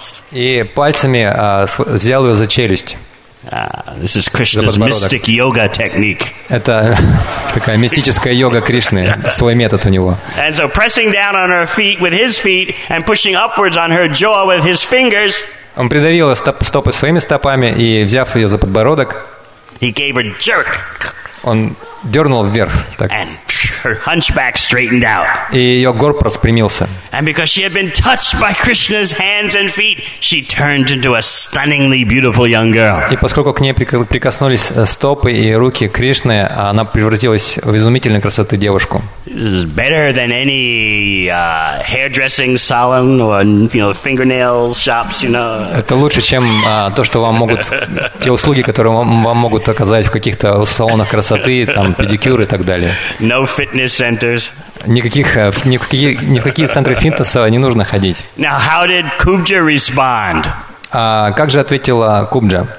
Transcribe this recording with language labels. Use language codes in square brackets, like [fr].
[ru] И пальцами взял ее за челюсть. [en] This is Krishna's mystic yoga technique. [ru] Это такая мистическая йога Кришны, свой метод у него. [en] And so pressing down on her feet with his feet and pushing upwards on her jaw with his fingers. [ru] Он придавил стопы своими стопами и, взяв ее за подбородок, [en] he gave a jerk. [ru] Он дернул вверх. Так. [en] And her hunchback straightened out. [ru] И ее горб распрямился. [en] And because she had been touched by Krishna's hands and feet, she turned into a stunningly beautiful young girl. [ru] И поскольку к ней прикоснулись стопы и руки Кришны, она превратилась в изумительной красоты девушку. [en] This is better than any hairdressing salon or fingernail shops, you know. [ru] Это лучше, чем то, что вам могут те услуги, которые вам могут оказать в каких-то салонах красоты, там педикюр и так далее. [en] No fitness centers. [ru] Никакие центры фитнеса не нужно ходить. [en] Now how did Kubja respond? [ru] Как же ответила Кубджа?